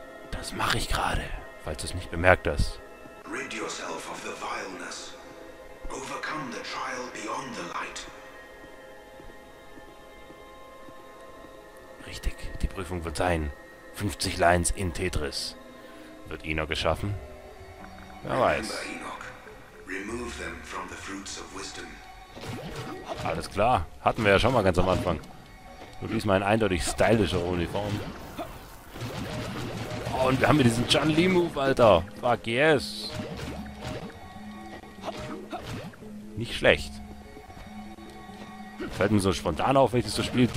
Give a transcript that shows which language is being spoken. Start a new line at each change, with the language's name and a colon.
German: Das mache ich gerade, falls du es nicht bemerkt hast.
English: Rid yourself of the vileness. Overcome the trial beyond the light.
German: Richtig, die Prüfung wird sein. 50 Lines in Tetris. Wird Enoch geschaffen? Wer weiß.
English: Remember, Enoch. Remove them from the fruits of wisdom.
German: Alles klar, hatten wir ja schon mal ganz am Anfang. Nur diesmal in eindeutig stylischer Uniform. Oh, und wir haben hier diesen Chun-Li-Move, Alter.
English: Fuck yes.
German: Nicht schlecht. Fällt mir so spontan auf, welches so spielt.